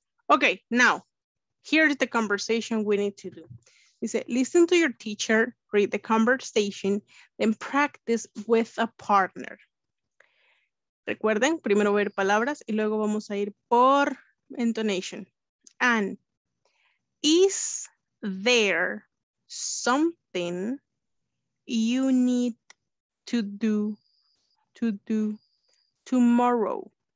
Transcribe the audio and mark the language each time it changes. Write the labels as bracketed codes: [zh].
[en] Okay, now, here's the conversation we need to do. Dice, listen to your teacher, read the conversation, then practice with a partner. [es] Recuerden, primero ver palabras y luego vamos a ir por intonation. [en] And, is there something you need to do tomorrow.